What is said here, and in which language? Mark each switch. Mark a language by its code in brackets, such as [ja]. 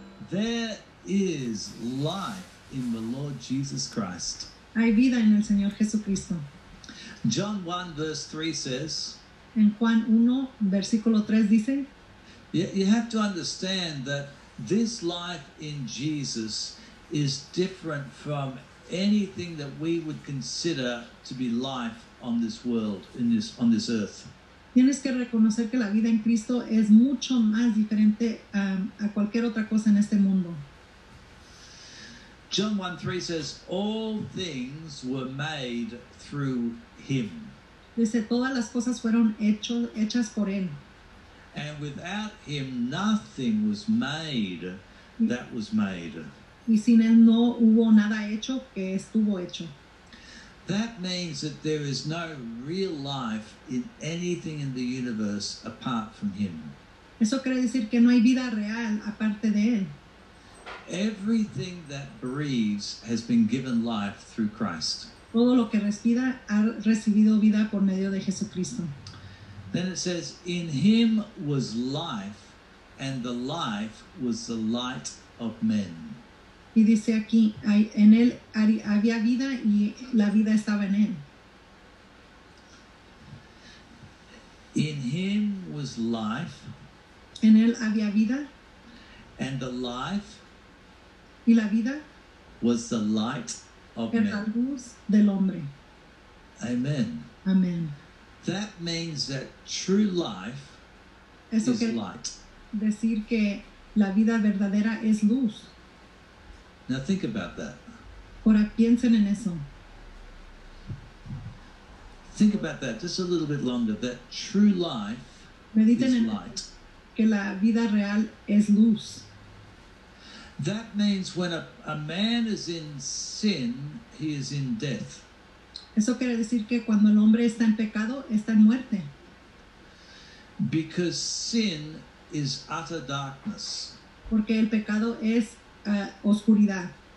[en] There is life in the Lord Jesus Christ. [es] Hay vida en el Señor Jesucristo. [en] John 1 verse 3 says. [es] En Juan 1 versículo 3 dice. [en] You have to understand that this life in Jesus is different from anything that we would consider to be life on this world, on this earth. [es] Tienes que reconocer que la vida en Cristo es mucho más diferente a cualquier otra cosa en este mundo. [en] John 1:3 says, all things were made through him. [es] Dice, todas las cosas fueron hechas por él. [en] And without him, nothing was made that was made. [es] Y sin él no hubo nada hecho que estuvo hecho. [en] That means that there is no real life in anything in the universe apart from him. [es] Eso quiere decir que no hay vida real aparte de él. [en] Everything that breathes has been given life through Christ. [es] Todo lo que respira ha recibido vida por medio de Jesucristo. [en] Then it says, in him was life, and the life was the light of men. [es] Y dice aquí, en él había vida y la vida estaba en él. [en] In him was life. [es] En él había vida. [en] And the life. [es] Y la vida. [en] Was the light of men. [es] Era la luz del hombre. [en] Amen. [es] Amen. [en] That means that true life [es] Eso [en] is light. [es] Decir que la vida verdadera es luz. [en] Now think about that. [es] Ahora piensen en eso. [en] Think about that just a little bit longer. That true life [es] Mediten [en] is light. [es] Que la vida real es luz. [en] That means when a man is in sin, he is in death. [es] Eso quiere decir que cuando el hombre está en pecado, está en muerte. [en] Because sin is utter darkness. [es] Porque el pecado es oscuridad.